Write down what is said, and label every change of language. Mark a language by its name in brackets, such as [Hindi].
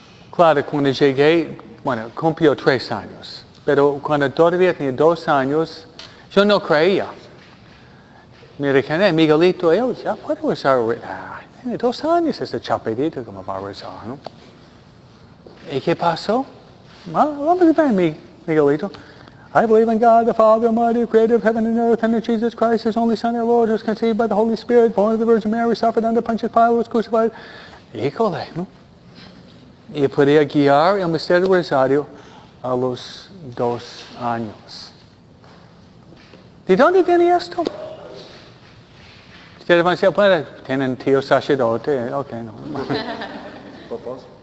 [Spanish] Claro, cuando llegué, bueno, cumplió 3 años. Pero cuando todavía tenía 2 años, yo no creía. Me dije, Miguelito, él ya puede rezar. Tiene 2 años ese chapedito como va a rezar, ¿no? ¿Y qué pasó? Vamos a ver, Miguelito. [English] I believe in God, the Father Almighty, creator of heaven and earth, and in Jesus Christ, his only Son, our Lord, who was conceived by the Holy Spirit, born of the Virgin Mary, suffered under Pontius Pilate, was crucified. [Spanish] Híjole, ¿no? Y podía guiar el misterio del rosario a los 2 años. ¿De dónde viene esto? Ustedes van a decir, bueno, tienen tío sacerdote. Ok, no. ¿Papás?